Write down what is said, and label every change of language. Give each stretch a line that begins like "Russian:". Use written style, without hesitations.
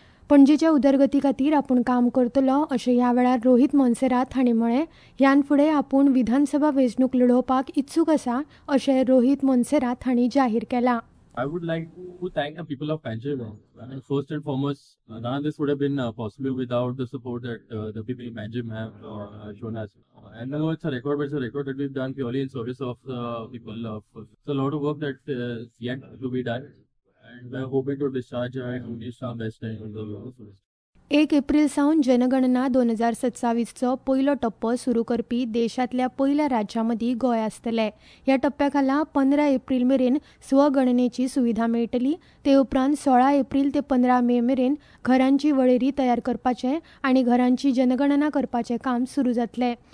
Konkani: पणजीच्या उदरगती खातीर आपूण काम करतलो अशें ह्या वेळार रोहित मोन्सेरात हांणी म्हळें. ह्यान फुडें आपूण विधानसभा वेचणूक लढोवपाक इत्सूक आसा अशें रोहित मोन्सेरात हांणी जाहीर केला.
English: I would like to thank the people of Manjeri. I mean, first and foremost, none of this would have been possible without the support that the people in Manjeri have shown us. And now it's a record, but it's a record that we've done purely in service of the people. It's a lot of work that is yet to be done. And we're hoping to discharge our duties our best in the world.
Konkani: 1 एप्रील सावन जनगणना 2027 पहिलो टप्पो सुरू करपी देशातल्या पहिल्या राज्यांमदी गोंय आसतले. ह्या टप्प्या खाला 15 एप्रील मेरेन स्वगणनेची सुविधा मेळटली. ते उपरांत 16 एप्रील ते 15 मे मेरेन घरांची वळेरी तयार करपाचे आणि घरांची जनगणना करपाचे काम सुरू जातले.